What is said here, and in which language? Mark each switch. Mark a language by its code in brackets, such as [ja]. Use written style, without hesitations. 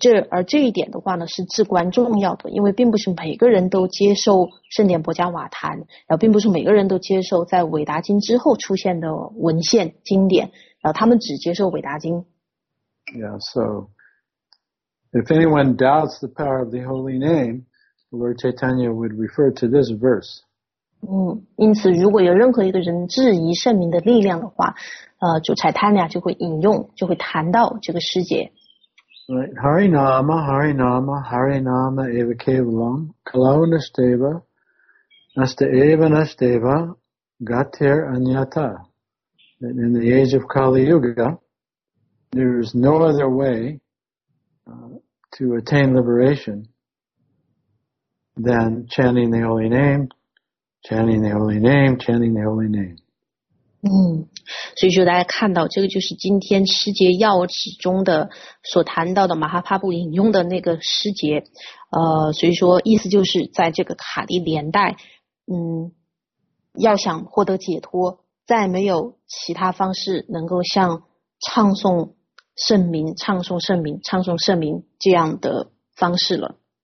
[zh] 而这一点的话呢是至关重要的，因为并不是每个人都接受圣典薄伽瓦坛，然后并不是每个人都接受在伟达经之后出现的文献经典，然后他们只接受伟达经。 [en] Yeah, so if anyone doubts the power of the holy name, Lord Chaitanya would refer to this verse. [zh] 因此如果有任何一个人质疑圣名的力量的话，主 Chaitanya 就会引用，就会谈到这个师节。 [sa] Right. Hari Nama, Hari Nama, Hari Nama Eva Kevalam, Kalau Nashteva, Nasta Eva Nashteva, Gatir Anyata. [en] In the age of Kali Yuga, there is no other way to attain liberation than chanting the holy name, chanting the holy name, chanting the holy name. [zh] 所以说大家看到这个就是今天师节要旨中的所谈到的马哈帕布引用的那个师节，所以说意思就是在这个卡利年代，要想获得解脱，再没有其他方式能够像唱诵圣名、唱诵圣名、唱诵圣名这样的方式了。